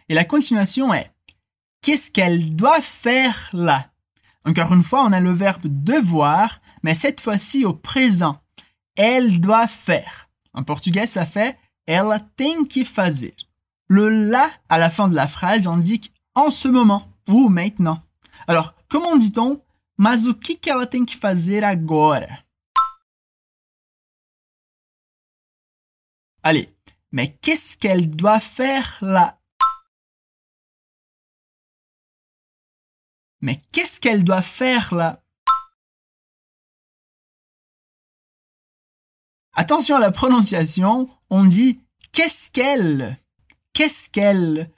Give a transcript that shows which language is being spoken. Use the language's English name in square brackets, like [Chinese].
[French] Et la continuation est « qu'est-ce qu'elle doit faire là ?» Encore une fois, on a le verbe « devoir », mais cette fois-ci au présent. « Elle doit faire ». En portugais, ça fait « [Portuguese] ela tem que fazer ». [French] Le « là » à la fin de la phrase indique « en ce moment » ou « maintenant ». Alors, comment dit-on « [Portuguese] mas o que ela tem que fazer agora ?» [French] Allez. Mais qu'est-ce qu'elle doit faire là? Mais qu'est-ce qu'elle doit faire là? Attention à la prononciation, on dit qu'est-ce qu'elle? Qu'est-ce qu'elle?